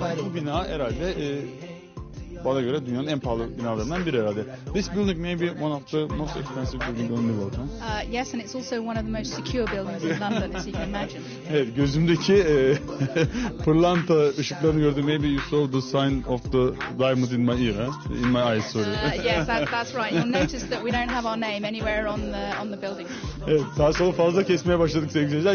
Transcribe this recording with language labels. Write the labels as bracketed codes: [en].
[tr] Bu bina herhalde... Bana göre dünyanın en pahalı binalarından biri herhalde. [en] This building may be one of the most expensive buildings in the world. Yes, and it's also one of the most secure buildings in London, as you can imagine. [tr] Evet, gözümdeki pırlanta ışıklarını gördüm. [en] Maybe you saw the sign of the diamond in my ear, huh? In my eyes, sorry. Yes, that's right. You'll notice that we don't have our name anywhere on the building. [tr] Evet, sağ solu fazla kesmeye başladık sevgili seyirciler.